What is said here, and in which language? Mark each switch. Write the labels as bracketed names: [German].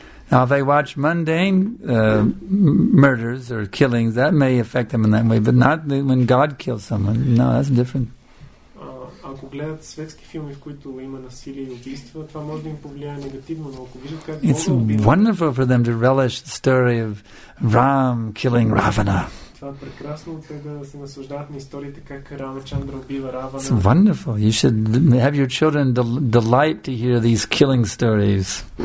[English] Now, if they watch mundane murders or killings, that may affect them in that way, but not when God kills someone. No, that's different. [Bulgarian] Ако гледат светски филми, в които има насилие и убийства, това може да им повлияе негативно, но ако виждат как [English] It's wonderful for them to relish the story of Ram killing Ravana. [Bulgarian] това е прекрасно, те да се наслаждават на историите как Рамачандра убива Равана. [English] It's wonderful. You should have your children delight to hear these killing stories.